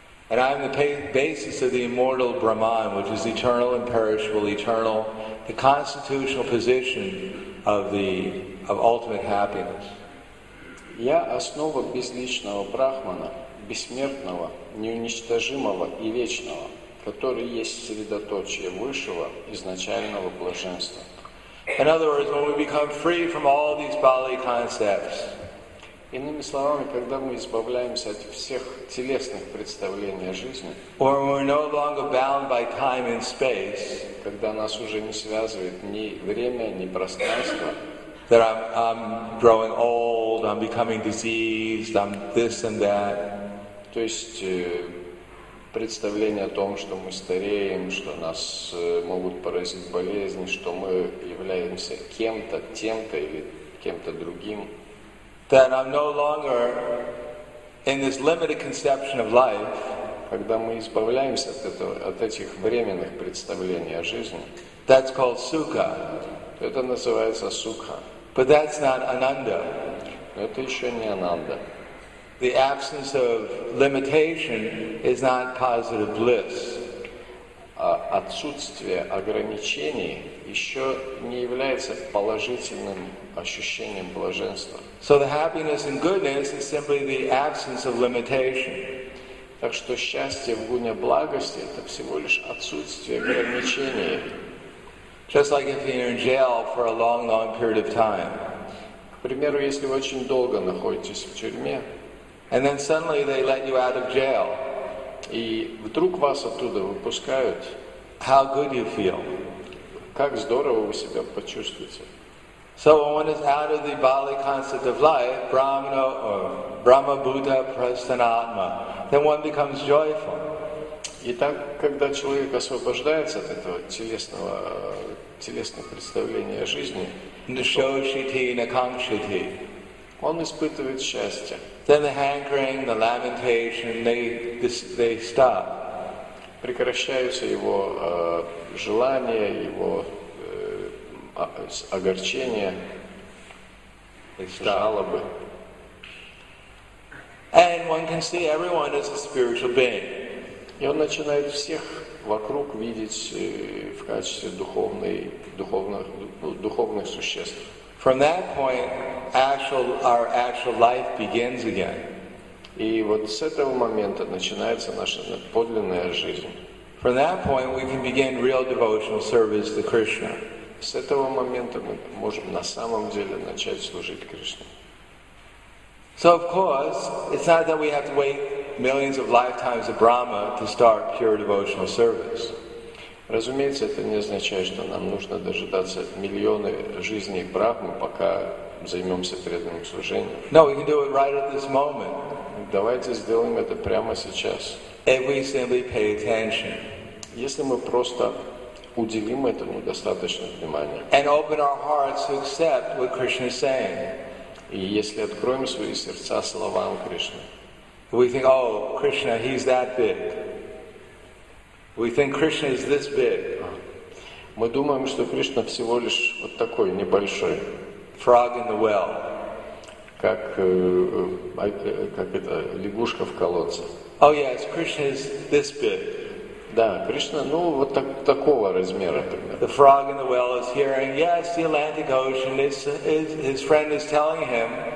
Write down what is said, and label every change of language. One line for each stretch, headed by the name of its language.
English: And I am the basis of the immortal Brahman, which is eternal, imperishable, eternal, the constitutional position of ultimate happiness.
Russian: Я основа безличного Брахмана, бессмертного, неуничтожимого и вечного, который есть средоточие высшего изначального блаженства.
English: In other words, when we become free from all these bodily concepts.
Russian: Иными словами, когда мы избавляемся от всех телесных представлений о жизни,
English: or we're no longer bound by time and space,
Russian: когда нас уже не связывает ни время, ни пространство,
English: that I'm growing old, I'm becoming diseased, I'm this and that.
Russian: То есть представление о том, что мы стареем, что нас могут поразить болезни, что мы являемся кем-то, тем-то или кем-то другим.
English: That I'm no longer in this limited conception of life.
Russian: Когда мы избавляемся от этого, от этих временных представлений о жизни.
English: That's called sukha.
Russian: Это называется сукха.
English: But that's not ananda.
Russian: Но это еще не ананда.
English: The absence of limitation is not positive bliss.
Russian: А отсутствие ограничений еще не является положительным ощущением блаженства.
English: So the happiness and goodness is simply the absence of limitation.
Russian: Так что счастье в гуне благости это всего лишь отсутствие ограничений.
English: Just like if you're in jail for a long, long period of time.
Russian: К примеру, если вы очень долго находитесь в тюрьме,
English: and then suddenly they let you out of jail,
Russian: и вдруг вас оттуда выпускают,
English: how good you feel.
Russian: Как здорово вы себя почувствуете.
English: So when one is out of the bodily concept of life, Brahmano, or
Sanskrit: Brahma, Buddha, Prasthanatma,
English: then one becomes joyful.
Russian: Итак, когда человек освобождается от этого телесного представления о жизни,
Sanskrit: Nishoshiti, Nakamshiti,
Russian: он испытывает счастье.
English: Then the hankering, the lamentation, they stop.
Russian: Прекращаются его желания, его огорчения, жалобы.
English: And one can see everyone as a spiritual being.
Russian: И он начинает всех вокруг видеть в качестве духовных существ.
English: From that point, our actual life begins again.
Russian: И вот с этого момента начинается наша подлинная жизнь.
English: From that point, we can begin real devotional service to Krishna.
Russian: С этого момента мы можем на самом деле начать служить Кришне.
English: So of course, it's not that we have to wait millions of lifetimes of Brahma to start pure devotional service.
Russian: Разумеется, это не означает, что нам нужно дожидаться миллионы жизней Брахмы, пока займемся преданным служением.
English: No, we can do it right at this moment.
Russian: Давайте сделаем это прямо сейчас.
English: If we simply pay attention.
Russian: Если мы просто уделим этому достаточно внимания.
English: And open our hearts to accept what Krishna is saying.
Russian: И если откроем свои сердца словам Кришны.
English: We think, oh, Krishna, he's that big. We think Krishna is this big.
Russian: Мы думаем, что Кришна всего лишь вот такой небольшой.
English: Frog in the well.
Russian: Как это лягушка в колодце.
English: Oh yes, Krishna is this big.
Russian: Да, Кришна, ну вот так, такого размера.
English: The frog in the well is hearing. Yes, the Atlantic Ocean is his friend is telling him.